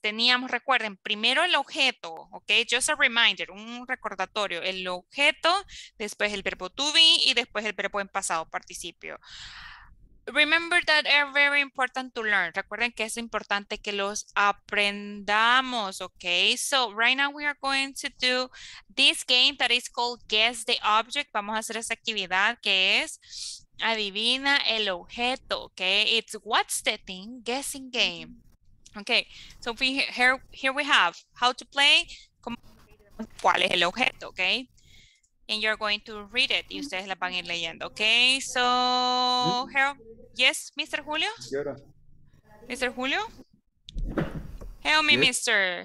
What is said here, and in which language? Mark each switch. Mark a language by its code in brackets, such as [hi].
[es] Teníamos, recuerden, primero el objeto, okay, [en] just a reminder, [es] un recordatorio, el objeto, después el verbo to be y después el verbo en pasado participio. [en] Remember that are very important to learn. [es] Recuerden que es importante que los aprendamos, [en] okay? So right now we are going to do this game that is called Guess the Object. [es] Vamos a hacer esta actividad que es adivina el objeto, okay? [en] It's what's the thing? Guessing game. Okay, so we, here we have how to play. [es] ¿Cuál es el objeto, [en] okay? And you're going to read it. [es] Y ustedes la van a ir leyendo. [en] Okay, so, Harold. Yes, Mr. Julio? Mr. Julio? Help me, yes. Mr.